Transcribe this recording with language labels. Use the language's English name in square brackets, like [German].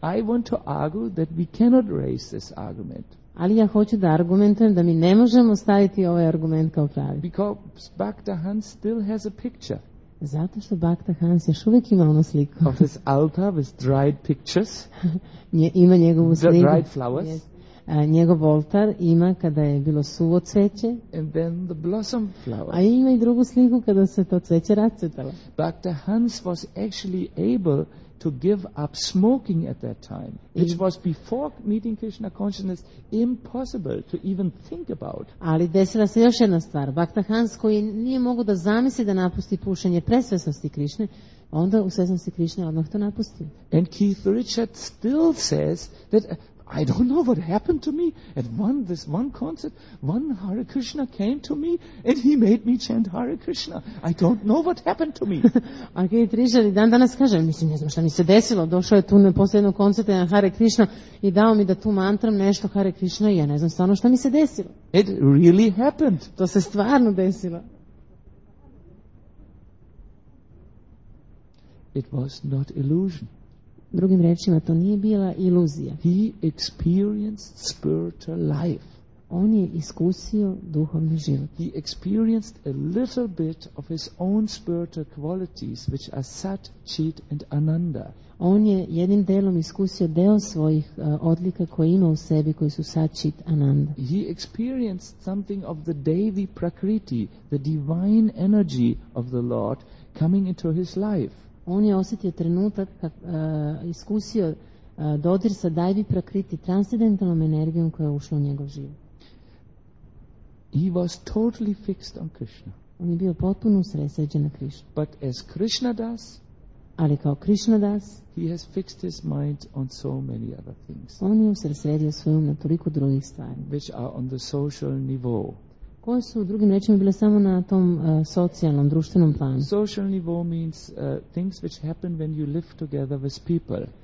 [English] I want to argue that we cannot raise this argument. [Serbian] Ali ja hoću da argumentujem da mi ne možemo staviti ovaj argument kao pravi. [English] Because Bhakta Hans still has a picture. [Serbian] Zato što Bhakta Hans još uvijek ima onu sliku. [English] Of his altar with dried pictures. [Serbian] Ima njegovu sliku. [English] Dried flowers. Yes. [Serbian] Njegov oltar ima kada je bilo suvo cveće. [English] And then the blossom flowers. [Serbian] A ima i drugu sliku kada se to cveće racvetalo. [English] Bhakta Hans was actually able to give up smoking at that time, which was before meeting Krishna consciousness impossible to even think about. [Serbian] Ali desila se još jedna stvar. Bhakta Hans, koji nije mogao da zamisli da napusti pušenje pre svesnosti Krišne, onda u svesnosti Krišne odmah to napustio. [English] And Keith Richard still says that I don't know what happened to me at this one concert. One Hare Krishna came to me and he made me chant Hare Krishna. I don't know what happened to me. [Serbian] A kaj Trižar i dan danas kaže, mislim, ne znam šta mi se desilo. Došao je tu na posljednog koncerta na Hare Krishna i dao mi da tu mantram nešto Hare Krishna i ja ne znam stvarno šta mi se desilo. [English] It really happened. [Serbian] To se stvarno desilo. [English] It was not illusion. [Serbian] Drugim rečima, to nije bila iluzija. [English] He experienced spiritual life. [Serbian] On je iskusio duhovni život. [English] He experienced a little bit of his own spiritual qualities, which are Sat, Chit and Ananda. [Serbian] On je jednim delom iskusio deo svojih odlika koje ima u sebi, koji su Sat, Chit, Ananda. [English] He experienced something of the Devi Prakriti, the divine energy of the Lord, coming into his life. [Serbian] On je osjetio trenutak, iskusio dodir sa Daivi Prakriti, transcendentalnom energijom koja je ušla u njegov život. [English] He was totally fixed on Krishna. [Serbian] On je bio potpuno usredsređen na Krishnu. [English] But as Krishna does, [Serbian] ali kao Krishna das, [English] he has fixed his mind on so many other things. [Serbian] On je usredsredio svojom na toliko drugih stvari. [English] Which are on the social nivou. [Serbian] Koje su, drugim rečima, bile samo na tom socijalnom, društvenom planu? [English] Social nivou means things which happen when you live together with people.